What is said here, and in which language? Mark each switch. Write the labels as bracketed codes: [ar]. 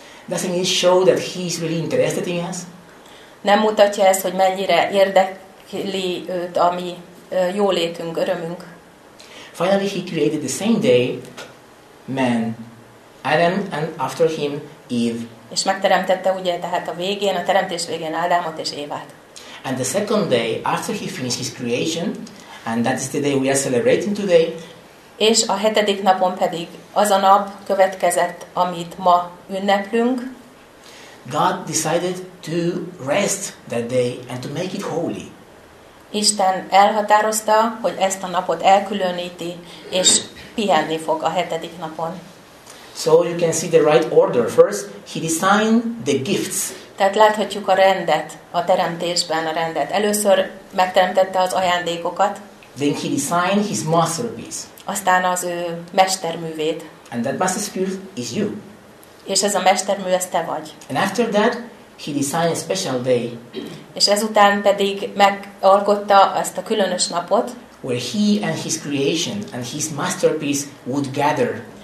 [en] Doesn't it show that he is really interested in us? [hu] Nem mutatja ez, hogy mennyire érdekli őt a mi jólétünk, örömünk. [en] Finally, he created the same day man, Adam, and after him Eve. [hu] És megteremtette ugye tehát a végén, a teremtés végén Ádámot és Évát. [en] And the second day after he finished his creation, and that is the day we are celebrating today. [hu] És a hetedik napon pedig az a nap következett, amit ma ünneplünk. [en] God decided to rest that day and to make it holy. [hu] Isten elhatározta, hogy ezt a napot elkülöníti és pihenni fog a hetedik napon. [en] So you can see the right order. First, he designed the gifts. [hu] Tehát láthatjuk a rendet, a teremtésben a rendet. Először megteremtette az ajándékokat. [en] Then he designed his masterpiece. [hu] Aztán az ő mesterművét. [en] And that masterpiece is you. [hu] És ez a mestermű, ez te vagy. [en] And after that, he designed a special day. [hu] És ezután pedig megalkotta ezt a különös napot. [en] Where he and his creation and his masterpiece would gather.